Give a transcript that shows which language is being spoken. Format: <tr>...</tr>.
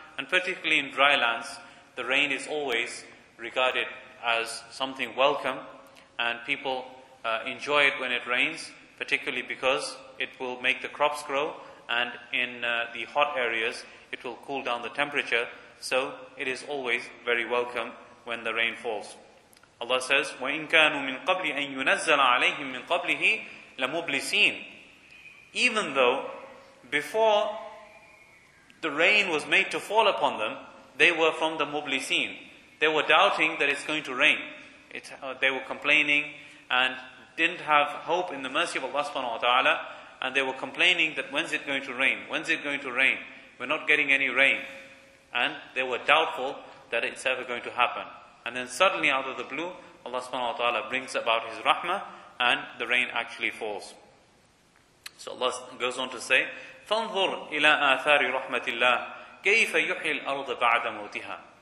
<en>And particularly in dry lands, the rain is always regarded as something welcome, and people enjoy it when it rains, particularly because it will make the crops grow, and in the hot areas, it will cool down the temperature. So it is always very welcome when the rain falls. Allah says,</en> <ar>وَإِن كَانُوا مِن قَبْلِ أَن يُنَزَّلَ عَلَيْهِم مِن قَبْلِهِ لَمُبْلِسِينَ.</ar> <en>Even though before the rain was made to fall upon them, they were from the Mublisin. They were doubting that it's going to rain. They were complaining and didn't have hope in the mercy of Allah subhanahu wa ta'ala. And they were complaining that when's it going to rain? When's it going to rain? We're not getting any rain. And they were doubtful that it's ever going to happen. And then suddenly out of the blue, Allah subhanahu wa ta'ala brings about His rahmah and the rain actually falls. So Allah goes on to say,</en> <ar>فَانْظُرْ إِلَىٰ آثَارِ رَحْمَةِ اللَّهِ كَيْفَ يُحْيِي الْأَرْضَ بَعْدَ مَوْتِهَا.</ar>